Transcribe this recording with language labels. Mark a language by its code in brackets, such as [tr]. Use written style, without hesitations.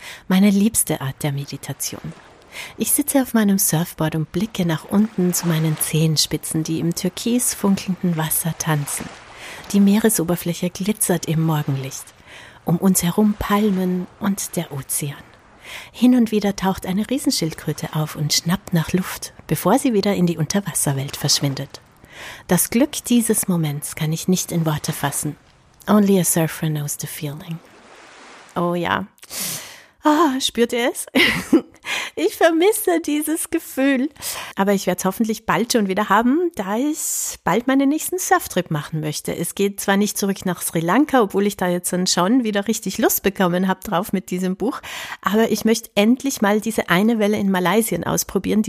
[de] Meine liebste Art der Meditation. Ich sitze auf meinem Surfboard und blicke nach unten zu meinen Zehenspitzen, die im türkis funkelnden Wasser tanzen. Die Meeresoberfläche glitzert im Morgenlicht. Um uns herum Palmen und der Ozean. Hin und wieder taucht eine Riesenschildkröte auf und schnappt nach Luft, bevor sie wieder in die Unterwasserwelt verschwindet. Das Glück dieses Moments kann ich nicht in Worte fassen. [en] Only a surfer knows the feeling. [de] Oh ja. Ah, oh, spürt ihr es? Ich vermisse dieses Gefühl. Aber ich werde es hoffentlich bald schon wieder haben, da ich bald meinen nächsten Surftrip machen möchte. Es geht zwar nicht zurück nach Sri Lanka, obwohl ich da jetzt dann schon wieder richtig Lust bekommen habe drauf mit diesem Buch, aber ich möchte endlich mal diese eine Welle in Malaysia ausprobieren.